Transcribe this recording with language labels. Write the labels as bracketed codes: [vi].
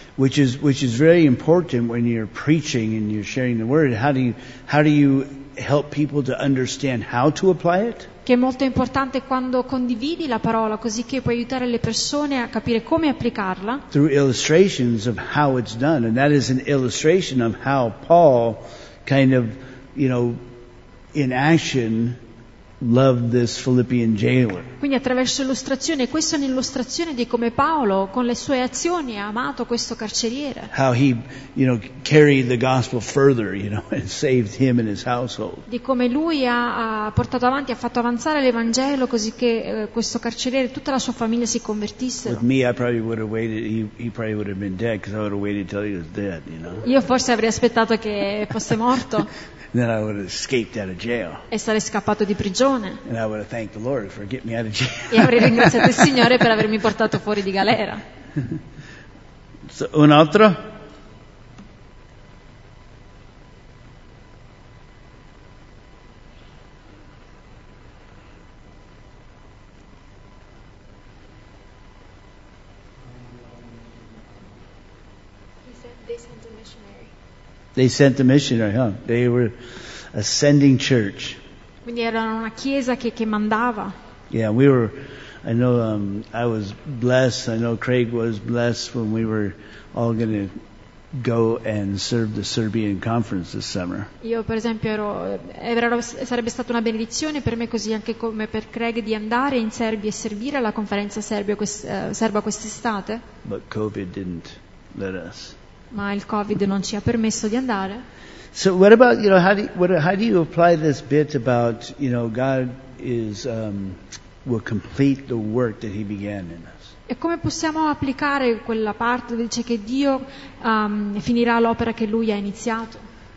[en] Which is very important when you're preaching and you're sharing the word. How do you help people to understand how to apply it? [it] Che è molto importante quando condividi la parola, così che puoi aiutare le persone a capire come applicarla. [en] Through illustrations of how it's done, and that is an illustration of how Paul. Kind of, you know, in action, love this Philippian jailer. [it] Quindi attraverso illustrazione, questa è un'illustrazione di come Paolo, con le sue azioni, ha amato questo carceriere. [en] How he, you know, carried the gospel further, you know, and saved him and his household. [it] Di come lui ha portato avanti, ha fatto avanzare l'Evangelo, così che questo carceriere e tutta la sua famiglia si convertissero. [en] With me, I probably would have waited. He probably would have been dead, because I would have waited till he was dead, you know. [it] Io forse avrei aspettato che fosse morto. [en] Then I would have escaped out of jail. [it] E sarei scappato di prigione. [en] And I would have thanked the Lord for getting me out of jail. [it] E avrei ringraziato il Signore per avermi portato fuori di galera. So, un altro? [en] They sent a missionary, huh? They were a sending church. [it] Quindi erano una chiesa che mandava. [en] Yeah, we were. I know I was blessed. I know Craig was blessed when we were all going to go and serve the Serbian conference this summer. [it] Io, per esempio, sarebbe stata una benedizione per me così anche come per Craig di andare in Serbia e servire alla conferenza serba quest'estate. [en] But COVID didn't let us. [it] Ma il Covid non ci ha permesso di andare. [en] So what about, you know, how do you apply this bit about, you know, God is will complete the work that he began in us? [it] E come possiamo applicare quella parte dove dice che Dio finirà l'opera che lui ha iniziato?